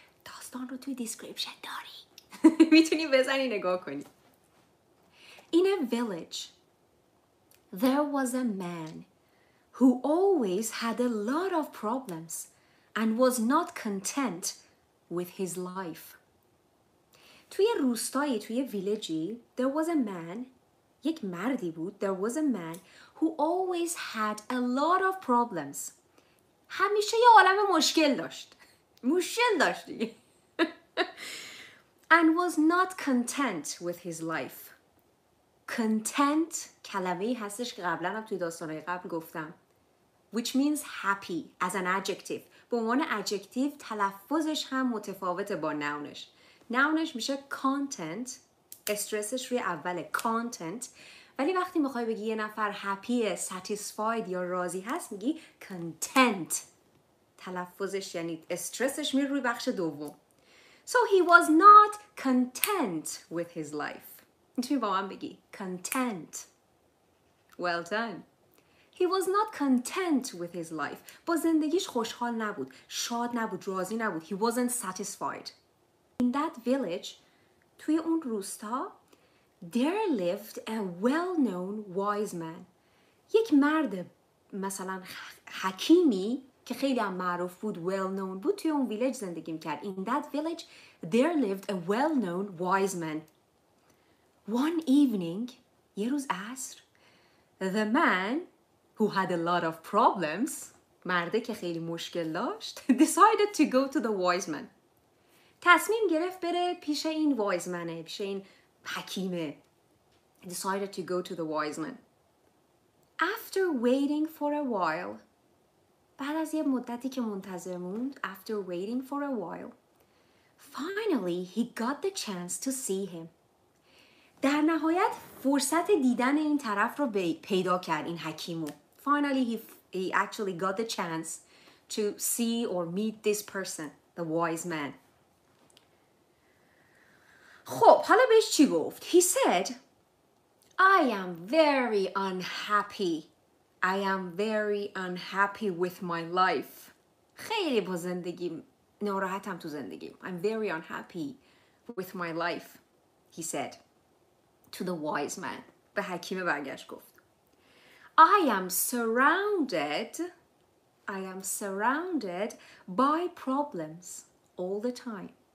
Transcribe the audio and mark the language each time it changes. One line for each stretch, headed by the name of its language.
Persian: داستان رو توی دیسکریپشن داری. میتونی بزنی نگاه کنی.
English: In a village, there was a man who always had a lot of problems and was not content with his life.
Persian: توی روستایی، توی ویلیجی،
English: there was a man،
Persian: یک مردی بود،
English: there was a man who always had a lot of problems.
Persian: همیشه یه عالم مشکل داشت. مشکل داشت دیگه.
English: And was not content with his life.
Persian: Content، کلمه‌ای هستش که قبلاً هم توی داستانهای قبل گفتم.
English: Which means happy as an adjective.
Persian: به عنوان adjective تلفظش هم متفاوته با نونش. نونش میشه content. استرسش روی اوله content. ولی وقتی میخوای بگی یه نفر happy, satisfied یا راضی هست میگی content. تلفظش یعنی استرسش میره روی بخش دوم.
English: So he was not content with his life.
Persian: میتونی با من بگی content.
English: Well done. He was not content with his life.
Persian: با زندگیش خوشحال نبود. شاد نبود. راضی نبود.
English: He wasn't satisfied. In that village,
Persian: توی اون روستا,
English: there lived a well-known wise man.
Persian: یک مرد مثلا حکیمی که خیلی هم معروف بود, well-known بود, توی اون ویلیج زندگی میکرد.
English: In that village, there lived a well-known wise man. One evening,
Persian: یه روز عصر,
English: the man who had a lot of problems,
Persian: مرده که خیلی مشکل داشت,
English: decided to go to the wise man.
Persian: تصمیم گرفت بره پیش این
English: wise man,
Persian: پیش این حکیمه.
English: Decided to go to the wise man. After waiting for a while,
Persian: بعد از یه مدتی که منتظر موند,
English: after waiting for a while, finally he got the chance to see him.
Persian: در نهایت فرصت دیدن این طرف رو پیدا کرد این حکیمو.
English: Finally, he actually got the chance to see or meet this person, the wise man.
Persian: خب, حالا بهش چی گفت؟
English: He said, I am very unhappy. I am very unhappy with my life.
Persian: خیلی با زندگی, ناراحتم تو زندگی.
English: I'm very unhappy with my life, he said to the wise man.
Persian: به حکیم برگشت گفت.
English: I am surrounded by problems all the time.